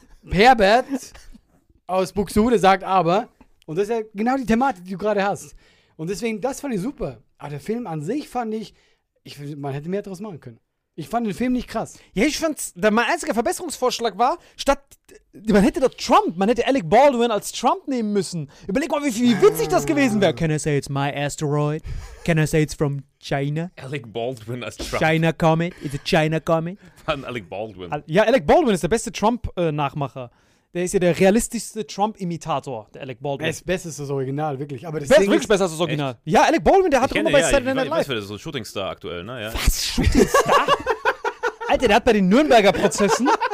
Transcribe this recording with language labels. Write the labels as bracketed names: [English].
[German] Herbert aus Buxtehude sagt aber. Und das ist ja genau die Thematik, die du gerade hast. Und deswegen, das fand ich super. Aber der Film an sich fand ich, man hätte mehr draus machen können. Ich fand den Film nicht krass. Ja, ich fand's, mein einziger Verbesserungsvorschlag war, statt, man hätte doch Trump, man hätte Alec Baldwin als Trump nehmen müssen. Überleg mal, wie witzig das gewesen wäre. [English] Can I say it's my asteroid? Can I say it's from China? [German] Alec Baldwin als Trump. [English] China Comet, it's a China Comet. [German] Von Alec Baldwin. Ja, Alec Baldwin ist der beste Trump-Nachmacher. Der ist ja der realistischste Trump-Imitator, der Alec Baldwin. Er ist besser als das Original, wirklich. Aber wirklich besser als das Original. Echt? Ja, Alec Baldwin, der hat immer bei Saturday Night Live. Das ist so ein Shootingstar aktuell, ne? Ja. Was? Shootingstar? Alter, der hat bei den Nürnberger Prozessen.